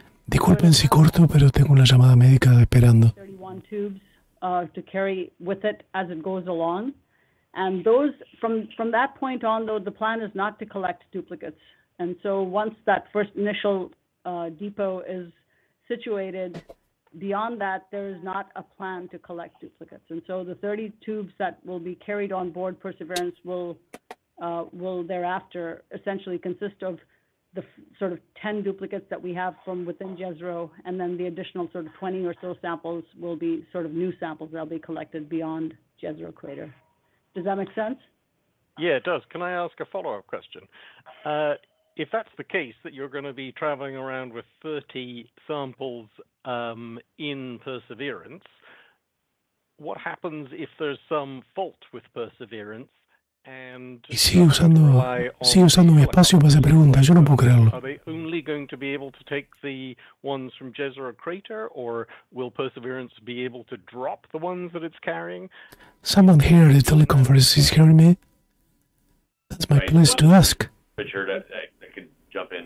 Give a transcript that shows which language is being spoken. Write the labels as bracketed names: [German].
[Spanish] Disculpen si corto, pero tengo una llamada médica esperando. [English] 31 tubes to carry with it as it goes along. And those, from that point on, though, the plan is not to collect duplicates. And so once that first initial depot is situated, beyond that, there is not a plan to collect duplicates. And so the 30 tubes that will be carried on board Perseverance will thereafter essentially consist of the sort of 10 duplicates that we have from within Jezero, and then the additional sort of 20 or so samples will be sort of new samples that will be collected beyond Jezero crater. Does that make sense? Yeah, it does. Can I ask a follow-up question? If that's the case, that you're going to be traveling around with 30 samples in Perseverance, what happens if there's some fault with Perseverance and... [Spanish] Y sigue usando mi espacio para hacer preguntas. Yo no puedo creerlo. [English] Are they only going to be able to take the ones from Jezero Crater, or will Perseverance be able to drop the ones that it's carrying? Someone here at the teleconference is hearing me. That's my place to ask. Richard, jump in.